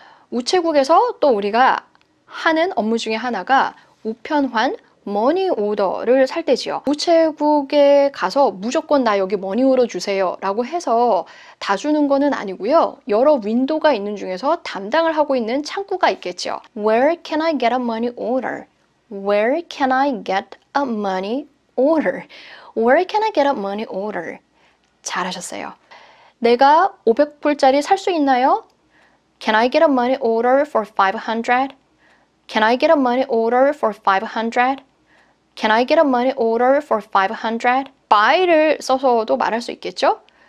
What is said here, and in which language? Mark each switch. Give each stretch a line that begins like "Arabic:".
Korean: 우체국에서 또 우리가 하는 업무 중에 하나가 우편환 머니 오더를 살 때지요. 우체국에 가서 무조건 나 여기 머니 오더 주세요 라고 해서 다 주는 거는 아니고요. 여러 윈도가 있는 중에서 담당을 하고 있는 창구가 있겠죠.
English: Where can I get a money order? Where can I get a money order. Where can I get a money order?
Korean: 잘하셨어요. 내가 500불짜리 살수 있나요?
English: Can I get a money order for 500? Can I get a money order for 500? Can I get a money order for 500? buy를
Korean: 써서도 말할 수 있겠죠?